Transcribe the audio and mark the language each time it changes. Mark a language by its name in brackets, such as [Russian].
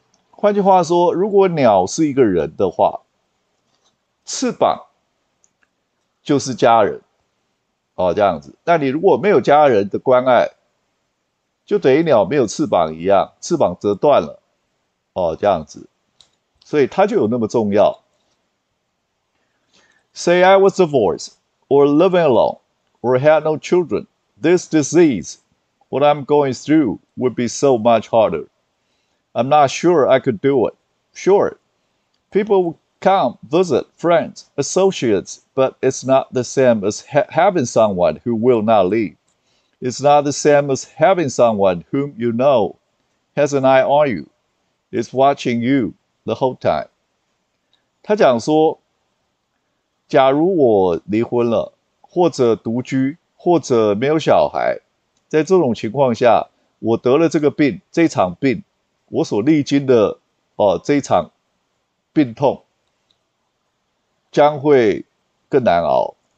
[Chinese] 换句话说，如果鸟是一个人的话，翅膀就是家人，哦，这样子。那你如果没有家人的关爱，就等于鸟没有翅膀一样，翅膀折断了，哦，这样子。所以它就有那么重要。 [English] Say I was divorced, or living alone, or had no children, this disease, what I'm going through, would be so much harder. I'm not sure I could do it. Sure, people would come, visit, friends, associates, but it's not the same as having someone who will not leave. It's not the same as having someone whom you know has an eye on you, is watching you the whole time. [Chinese] 他讲说，假如我离婚了，或者独居，或者没有小孩，在这种情况下，我得了这个病，这场病，我所历经的这场病痛将会更难熬。